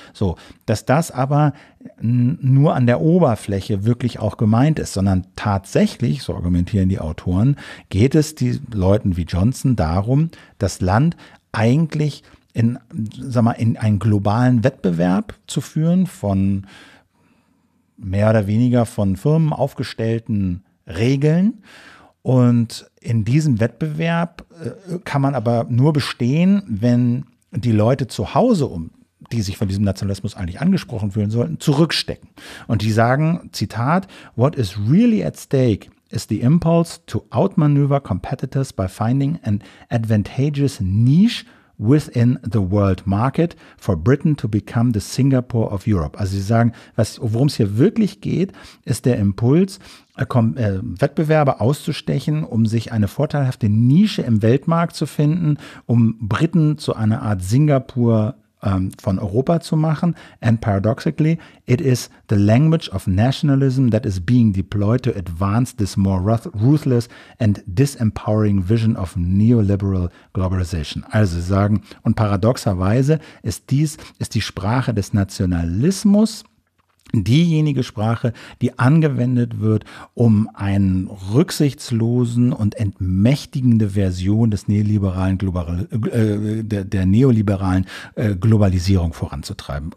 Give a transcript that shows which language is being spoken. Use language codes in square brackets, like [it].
[de] So, dass das aber nur an der Oberfläche wirklich auch gemeint ist, sondern tatsächlich, so argumentieren die Autoren, geht es den Leuten wie Johnson darum, das Land eigentlich in, sag mal, in einen globalen Wettbewerb zu führen von mehr oder weniger von Firmen aufgestellten Regeln. Und in diesem Wettbewerb kann man aber nur bestehen, wenn die Leute zu Hause, die sich von diesem Nationalismus eigentlich angesprochen fühlen sollten, zurückstecken. Und die sagen, Zitat, [en] what is really at stake is the impulse to outmaneuver competitors by finding an advantageous niche within the world market for Britain to become the Singapore of Europe. [de] Also sie sagen, worum es hier wirklich geht, ist der Impuls, Wettbewerber auszustechen, um sich eine vorteilhafte Nische im Weltmarkt zu finden, um Briten zu einer Art Singapur von Europa zu machen. [en] And paradoxically, it is the language of nationalism that is being deployed to advance this more ruthless and disempowering vision of neoliberal globalization. [de] Also sie sagen, und paradoxerweise ist die Sprache des Nationalismus diejenige Sprache, die angewendet wird, um eine rücksichtslosen und entmächtigende Version des neoliberalen Globalisierung voranzutreiben.